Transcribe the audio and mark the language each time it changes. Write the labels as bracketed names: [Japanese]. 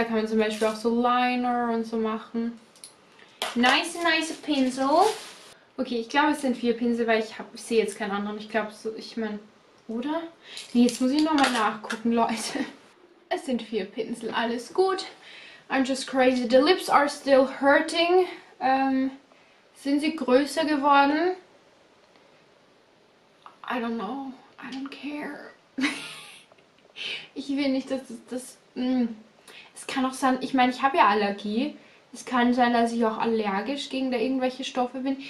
[German] Da kann man zum Beispiel auch so Liner und so machen. Nice Pinsel. Okay, ich glaube, es sind 4 Pinsel, weil ich sehe jetzt keinen anderen. Ich glaube, so, ich meine, oder? Nee, jetzt muss ich nochmal nachgucken, Leute. Es sind 4 Pinsel, alles gut. [English] I'm just crazy. The lips are still hurting. [German] Sind sie größer geworden? [English] I don't know. I don't care. [German] Ich will nicht, dass das... Es kann auch sein, ich meine, ich habe ja Allergie. Es kann sein, dass ich auch allergisch gegen da irgendwelche Stoffe bin.